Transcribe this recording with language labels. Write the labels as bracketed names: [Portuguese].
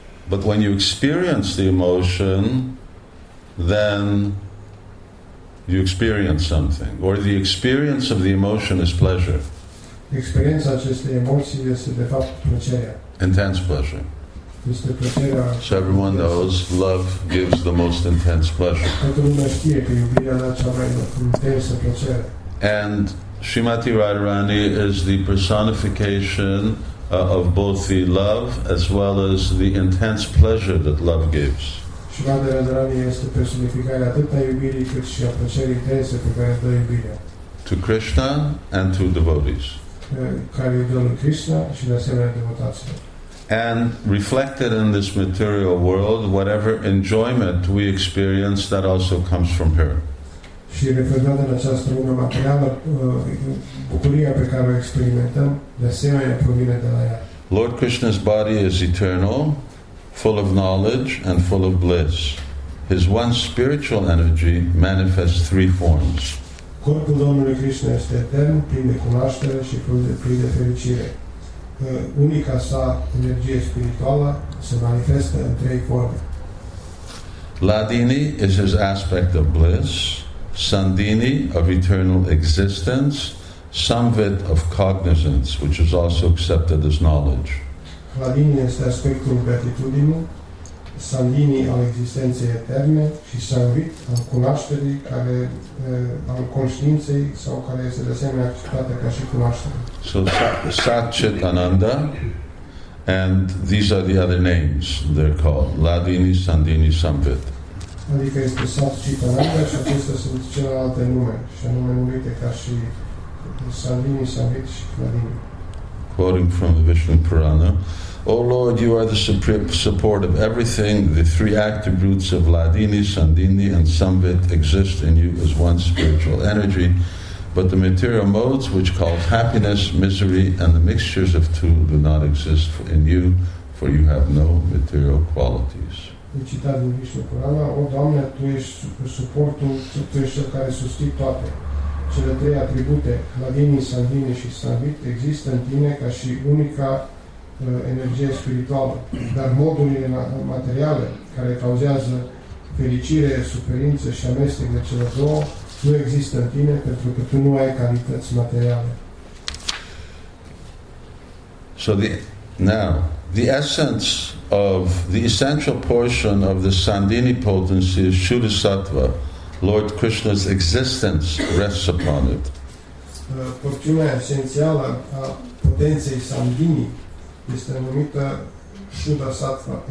[English] But when you experience the emotion, then you experience something, or the experience of the emotion is pleasure. [Romanian] Experiența acestei emoții este de fapt plăcerea. [English] Intense pleasure. [Romanian] Este plăcerea. [English] So everyone knows love gives the most intense pleasure. [Romanian] Toată lumea știe că iubirea dă cea mai intensă plăcere. [English] And Srimati Radharani is the personification of both the love as well as the intense pleasure that love gives. [Romanian] Srimati Radharani este personificarea atât a iubirii cât și a plăcerii intense pe care dă iubirea. [English] To Krishna and to devotees. [Romanian] Care îi dă lui Krishna și de asemenea devotaților. [English] And reflected in this material world, whatever enjoyment we experience, that also comes from her. [Romanian] Și reflectat în această lume materială, bucuria pe care o experimentăm, de asemenea provine de la ea. [English] Lord Krishna's body is eternal, full of knowledge and full of bliss. His one spiritual energy manifests three forms. [Romanian] Corpul Domnului Krishna este etern, plin de cunoaștere și plin de fericire. Unica sa energie spirituală se manifestă în trei forme. [English] Ladini is his aspect of bliss, Sandini of eternal existence, Samvit of cognizance, which is also accepted as knowledge. [Romanian] Ladini este aspectul beatitudinii, Sandini al existenței eterne și Samvit al cunoașterii care al conștiinței sau care este de asemenea acceptată ca și cunoaștere. [English] So Sat-Chit Ananda, and these are the other names they're called: Ladini, Sandini, Samvit. [Romanian] Adică este Sat-Chit Ananda și acestea sunt celelalte nume și anume numite ca și Sandini, Samvit și Ladini. [English] Quoting from the Vishnu Purana: O Lord, you are the supreme support of everything. The three attributes of Ladini, Sandini, and Samvit exist in you as one spiritual energy. But the material modes, which cause happiness, misery, and the mixtures of two, do not exist in you, for you have no material qualities. [Romanian] Citat din Vishnu Purana: O Doamne, tu ești suportul, tu ești cel care susții toate. Cele trei atribute, Ladini, Sandini și Samvit, există în tine ca și unica energie spirituală, dar modurile materiale care cauzează fericire, suferință și amestec de cele două nu există în tine pentru că tu nu ai calități materiale. [English] So the essence of the essential portion of the Sandini potency is Shuddha Sattva. Lord Krishna's existence rests upon it. [Romanian] Porțiunea esențială a potenței Sandini este numită Shuddha Sattva.